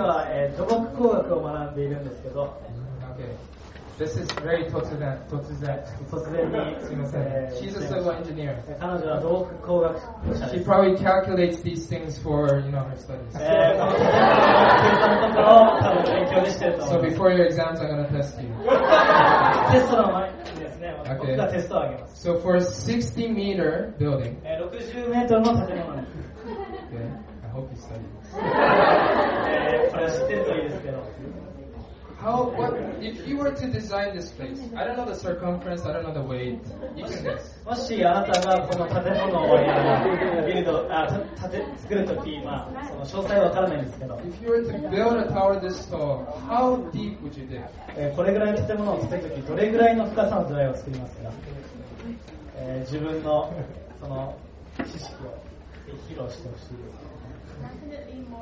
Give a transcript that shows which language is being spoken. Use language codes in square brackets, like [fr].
[ja] は土木工学を学んでいるんですけど。 [en] Okay. This is very [ja] 突然突然突然にすみません。 [en] She's a civil engineer. [ja] 彼女は土木工学者。 [en] She probably calculates these things for you know her studies. [ja] 彼女は計算のところを多分勉強してると思います [en] So before your exams, I'm gonna test you. [ja] テストの前にですね、僕がテストをあげます。 [en] Okay. So for a 60 meter building. [ja] 60メートルの建物です。 [en] Okay. I hope you study. [ja] これは知ってるといいですけど。 [en] How, what, if you were to design this place, I don't know the circumference, I don't know the weight, you can guess. [ja] もしあなたがこの建物をビルド、作るとき、まあ、その詳細はわからないんですけど。 [en] If you were to build a tower this tall, how deep would you dig? [ja] これぐらいの建物を作るとき、どれぐらいの深さの土台を作りますか？自分のその知識を披露してほしいです。